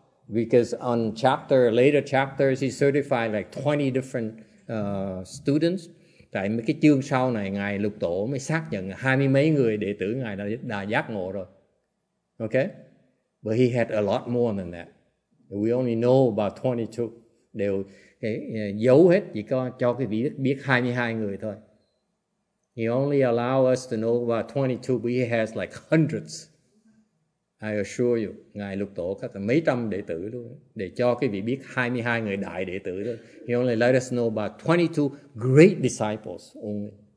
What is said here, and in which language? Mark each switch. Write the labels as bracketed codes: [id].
[en] Because on chapter, later chapters, he certified like 20 different students. [vi] Tại mấy cái chương sau này, Ngài lục tổ mới xác nhận 20 mấy người đệ tử Ngài đã giác ngộ rồi. [en] Okay? But he had a lot more than that. We only know about 22. [vi] Đều giấu hết, chỉ có cho cái vị biết 22 người thôi. [en] He only allow us to know about 22, but he has like hundreds. I assure you, [vi] Ngài lục tổ các mấy trăm đệ tử luôn. Để cho cái vị biết 22 người đại đệ tử thôi. [en] He only let us know about 22 great disciples only.